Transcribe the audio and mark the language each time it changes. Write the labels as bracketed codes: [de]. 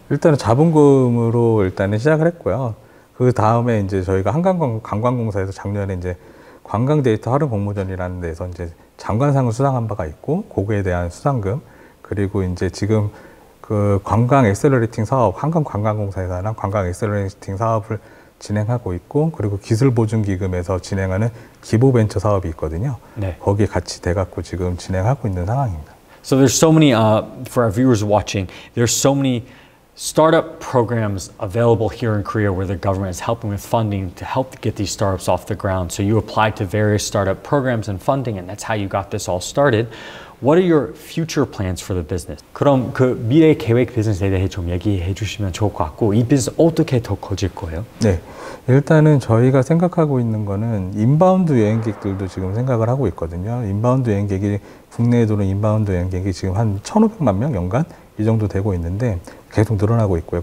[ko] 일단은 자본금으로 일단은 시작을 했고요. 그 다음에 이제 저희가 한강관광공사에서 작년에 이제 관광데이터 활용 공모전이라는 데서 이제 장관상을 수상한 바가 있고, 그거에 대한 수상금, 그리고 이제 지금 그 관광 엑셀러레이팅 사업, 한강관광공사에서 하는 관광 엑셀러레이팅 사업을 진행하고 있고, 그리고 기술보증기금에서 진행하는 기보벤처 사업이 있거든요. 네. 거기에 같이 돼갖고 지금 진행하고 있는 상황입니다. [en] So there's so many, for our viewers watching, there's so many startup programs available here in Korea where the government is helping with funding to help get these startups off the ground. So you applied to various startup programs and funding, and that's how you got this all started. What are your future plans for the business? [ko] 그럼 그 미래 계획 비즈니스에 대해 좀 얘기해 주시면 좋을 것 같고, 이 비즈니스 어떻게 더 커질 거예요? 네, 일단은 저희가 생각하고 있는 거는 인바운드 여행객들도 지금 생각을 하고 있거든요. 인바운드 여행객이 국내에 들어온 인바운드 여행객이 지금 한 1,500만 명 연간 이 정도 되고 있는데 계속 늘어나고 있고요.